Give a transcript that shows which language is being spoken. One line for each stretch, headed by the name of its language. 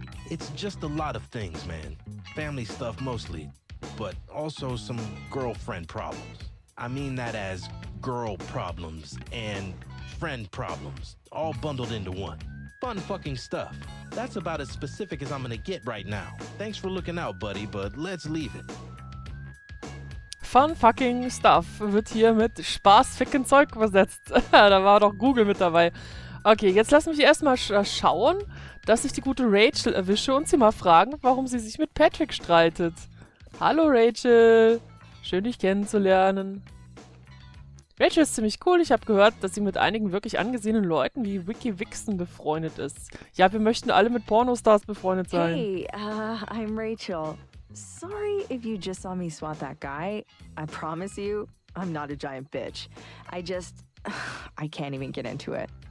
English: It's just a lot of things, man. Family stuff mostly, but also some girlfriend problems. I mean that as girl problems and friend problems, all bundled into one. Fun fucking stuff. That's about as specific as I'm gonna get right now. Thanks for looking out, buddy, but let's leave it.
German: Fun fucking stuff wird hier mit Spaß ficken Zeug übersetzt. Da war doch Google mit dabei. Okay, jetzt lass mich erstmal schauen, dass ich die gute Rachel erwische und sie mal fragen, warum sie sich mit Patrick streitet. Hallo, Rachel. Schön, dich kennenzulernen. Rachel ist ziemlich cool. Ich habe gehört, dass sie mit einigen wirklich angesehenen Leuten wie Wiki Vixen befreundet ist. Ja, wir möchten alle mit Pornostars befreundet sein.
English: Hey, I'm Rachel. Sorry if you just saw me swat that guy. I promise you, I'm not a giant bitch. I just... I can't even get into it.